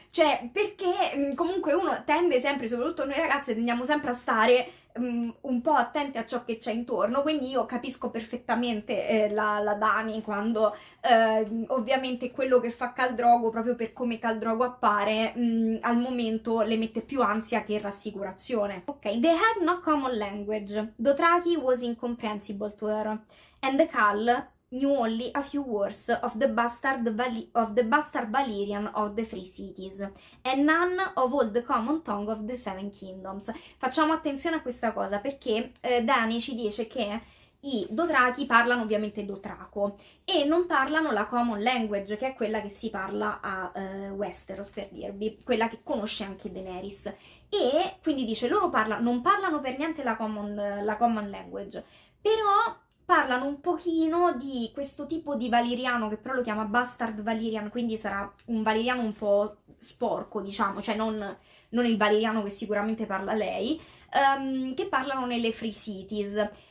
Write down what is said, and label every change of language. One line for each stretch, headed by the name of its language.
Italian: Cioè, perché comunque uno tende sempre, soprattutto noi ragazze, tendiamo sempre a stare un po' attenti a ciò che c'è intorno. Quindi io capisco perfettamente la Dani quando ovviamente quello che fa Khal Drogo, proprio per come Khal Drogo appare, al momento le mette più ansia che rassicurazione.
English: Ok, they had no common language. Dothraki was incomprehensible to her. And the Khal knew only a few words of the bastard Valyrian of the Three Cities and none of all the common tongue of the Seven Kingdoms.
Italian: Facciamo attenzione a questa cosa, perché Dany ci dice che i Dothraki parlano ovviamente Dothraco e non parlano la common language, che è quella che si parla a Westeros, per dirvi, quella che conosce anche Daenerys. E quindi dice: loro non parlano per niente la common language, però parlano un pochino di questo tipo di valiriano, che però lo chiama Bastard Valyrian, quindi sarà un valiriano un po' sporco, diciamo, cioè non il valiriano che sicuramente parla lei, che parlano nelle Free Cities.